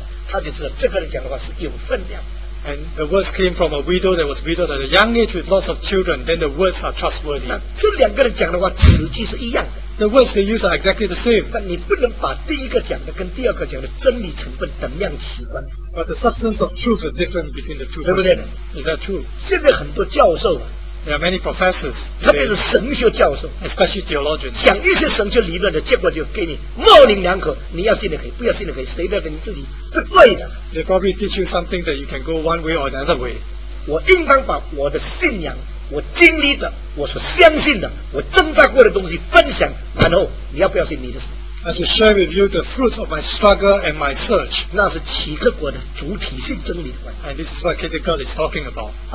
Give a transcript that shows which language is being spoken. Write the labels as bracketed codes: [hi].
[zh] 她是一个年轻的时候，丈夫就死了，七八个孩子很辛苦奋斗起来，神力在同在，她就知道这个人讲的话是有分量。 [en] And the words came from a widow that was widowed at a young age with lots of children, then the words are trustworthy. [zh] 这两个人讲的话，词句是一样的。 [en] The words they use are exactly the same. [zh] 但你不能把第一个讲的跟第二个讲的真理成分等量齐观。 [en] But the substance of truth is different between the two persons. Is that true? [zh] 现在很多教授, [en] there are many professors, today, [zh] 特别是神学教授, [en] especially theologians, [zh] 讲一些神学理论的, 结果就给你模棱两可, 你要信的可以, 不要信的可以, 谁的跟你自己是对的。 [en] They probably teach you something that you can go one way or another way. [zh] 我应当把我的信仰, 我经历的, 我所相信的, 我挣扎过的东西分享, 然后你要不要信你的事。 [en] I should share with you the fruits of my struggle and my search. [zh] 那是齐克果的主体性真理观。 [en] And this is what Kierkegaard is talking about.